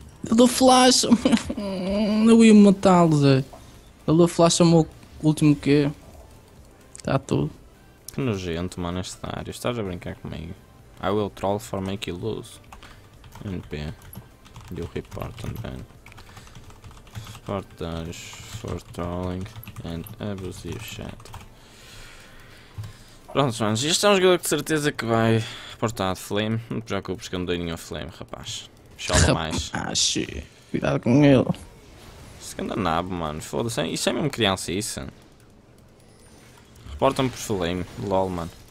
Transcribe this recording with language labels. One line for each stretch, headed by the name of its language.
Portuguese: Do flash, não ia matá-lo, Zé. Ele do flash chamou o último Q. Está tudo. Que nojento, mano, este Darius. Estás a brincar comigo?
English: I will troll for make you lose. NP. You report and then. For Darius, for trolling and abusive chat.
Portuguese: Pronto, manos. Este é um jogador que de certeza que vai reportar de flame. Não te preocupes que eu não dei nenhum flame, rapaz. Chola mais. Ah, cuidado com ele. Segunda nabo, mano. Foda-se. Isso é mesmo criança, isso. Reporta-me por Flame. LOL, mano.